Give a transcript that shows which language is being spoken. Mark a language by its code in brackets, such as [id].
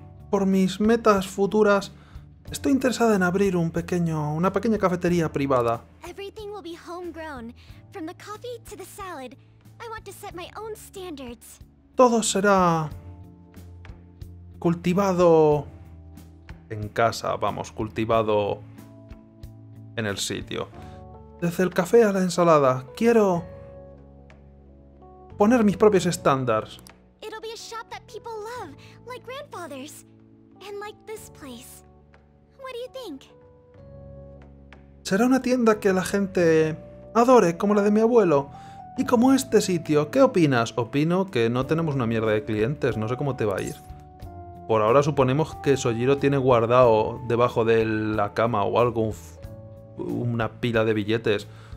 [es] Por mis metas futuras, estoy interesada en abrir una pequeña cafetería privada. [en] Everything will be homegrown, from the coffee to the salad. I want to set my own standards. [es] Todo será cultivado en casa, vamos, cultivado en el sitio. Desde el café a la ensalada, quiero poner mis propios estándares. [en] It'll be a shop that people love, like grandfathers, and like this place. What do you think? [es] Será una tienda que la gente adore, como la de mi abuelo, y como este sitio. ¿Qué opinas? Opino que no tenemos una mierda de clientes, no sé cómo te va a ir. Por ahora suponemos que Sojiro tiene guardado debajo de la cama o algo, una pila de billetes.